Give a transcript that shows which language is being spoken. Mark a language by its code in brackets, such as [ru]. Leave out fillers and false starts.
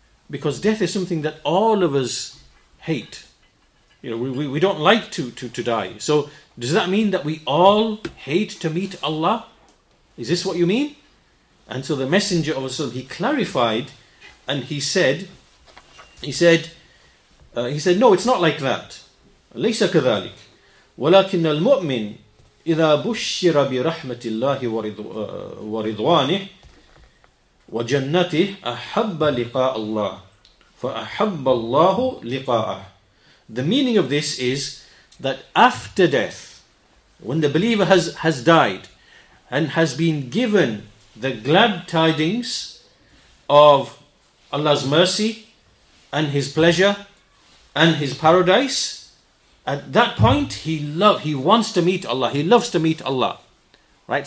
[en] Because death is something that all of us hate. You know, we don't like to die. So does that mean that we all hate to meet Allah? Is this what you mean? And so the Messenger of Allah, he clarified and he said, no, it's not like that. [ar] لَيْسَ كَذَلِكَ. ولكن المؤمن إذا بشر برحمة الله ورضوانه وجنته أحب لقاء الله فأحب الله لقاءه. [en] The meaning of this is that after death, when the believer has died and has been given the glad tidings of Allah's mercy and his pleasure and his paradise, at that point, he wants to meet Allah. He loves to meet Allah. Right?